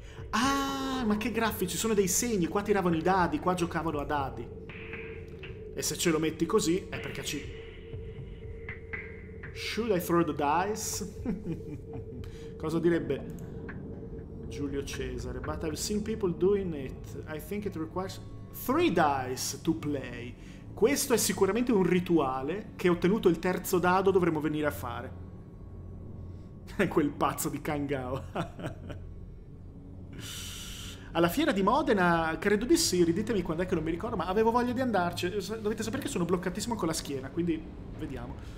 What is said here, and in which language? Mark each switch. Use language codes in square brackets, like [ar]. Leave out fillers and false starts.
[it] Ah, ma che graffici, sono dei segni, qua tiravano i dadi, qua giocavano a dadi. E se ce lo metti così, è perché ci... [en] Should I throw the dice? [it] Cosa direbbe Giulio Cesare? [en] But I've seen people doing it. I think it requires 3 dice to play. [it] Questo è sicuramente un rituale che, ottenuto il terzo dado, dovremmo venire a fare. Quel pazzo di Kangao. Alla fiera di Modena, credo di sì, riditemi quando è che non mi ricordo, ma avevo voglia di andarci. Dovete sapere che sono bloccatissimo con la schiena, quindi vediamo.